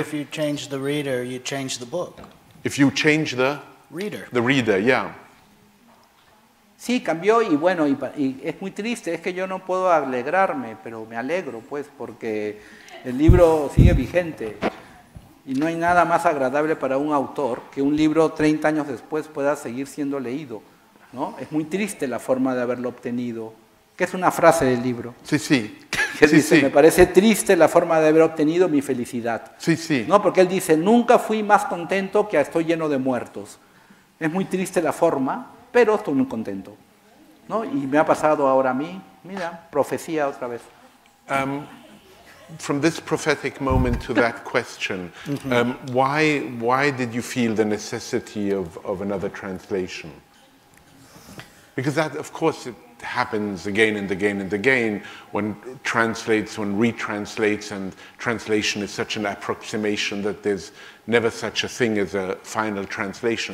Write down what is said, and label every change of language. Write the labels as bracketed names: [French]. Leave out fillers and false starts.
[English] If you change the reader, you change the book. If you change the reader. The reader, yeah. [Spanish] Sí, cambió y bueno, y es muy triste, es que yo no puedo alegrarme, pero me alegro pues porque el libro sigue vigente y no hay nada más agradable para un autor que un libro 30 años después pueda seguir siendo leído, ¿no? Es muy triste la forma de haberlo obtenido, que es una frase del libro. Sí, sí. Que sí, dice, sí. Me parece triste la forma de haber obtenido mi felicidad. Sí, sí. ¿No? Porque él dice, nunca fui más contento que estoy lleno de muertos. Es muy triste la forma, pero estoy muy contento. ¿No? Y me ha pasado ahora a mí, mira, profecía otra vez. [English] From this prophetic moment to that question, why did you feel the necessity of another translation? Because that, of course... happens again and again and again when translates, when retranslates, and translation is such an approximation that there's never such a thing as a final translation.